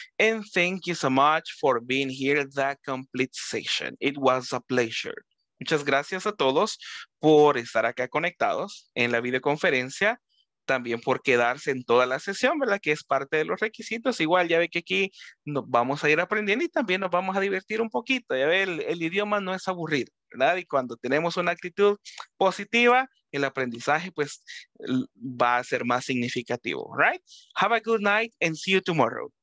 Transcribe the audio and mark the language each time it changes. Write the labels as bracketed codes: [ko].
[en] And thank you so much for being here at the complete session. It was a pleasure. [es] Muchas gracias a todos por estar acá conectados en la videoconferencia. También por quedarse en toda la sesión, ¿verdad? Que es parte de los requisitos. Igual, ya ve que aquí nos vamos a ir aprendiendo y también nos vamos a divertir un poquito. Ya ve, el idioma no es aburrido, ¿verdad? Y cuando tenemos una actitud positiva, el aprendizaje, pues, va a ser más significativo, ¿right? [en] Have a good night and see you tomorrow.